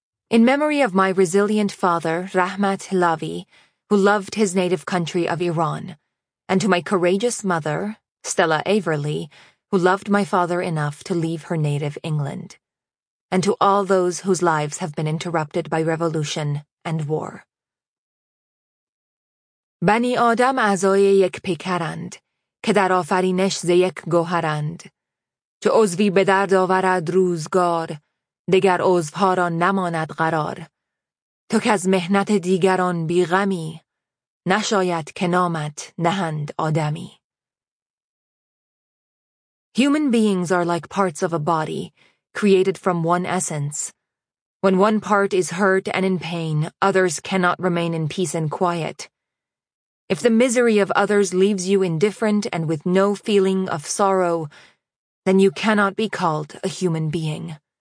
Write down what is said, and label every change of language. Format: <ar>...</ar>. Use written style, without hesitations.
<en>In memory of my resilient father, Rahmat Hilavi, who loved his native country of Iran, and to my courageous mother, Stella Averly, who loved my father enough to leave her native England, and to all those whose lives have been interrupted by revolution and war.</en> <fa>بنی آدم اعضای یک پیکرند که در آفرینش ز یک گوهرند چو عضوی به درد آورد روزگار دگر عضوها را نماند قرار تو که از محنت دیگران بیغمی نشاید که نامت نهند آدمی.</fa> <en>Human beings are like parts of a body created from one essence. When one part is hurt and in pain, others cannot remain in peace and quiet. If the misery of others leaves you indifferent and with no feeling of sorrow, then you cannot be called a human being.</en>